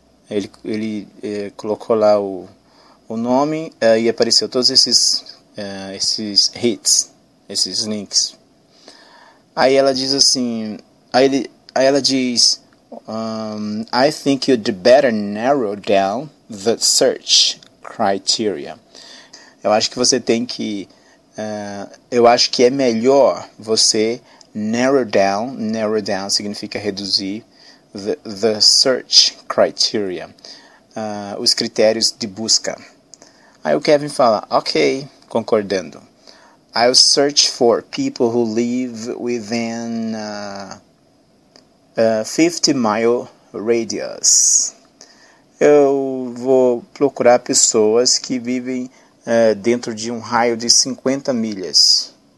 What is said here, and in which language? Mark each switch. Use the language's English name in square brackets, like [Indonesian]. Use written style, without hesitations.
[Portuguese] Ele colocou lá o nome e apareceu todos esses hits, esses links. Aí ela diz assim, [English] I think you'd better narrow down the search criteria. [Portuguese] Eu acho que você tem que... eu acho que é melhor você narrow down. Narrow down significa reduzir the search criteria. Os critérios de busca. Aí o Kevin fala, ok, concordando. [English] I'll search for people who live within a 50-mile radius. [Portuguese] Eu vou procurar pessoas que vivem dentro de um raio de 50 milhas.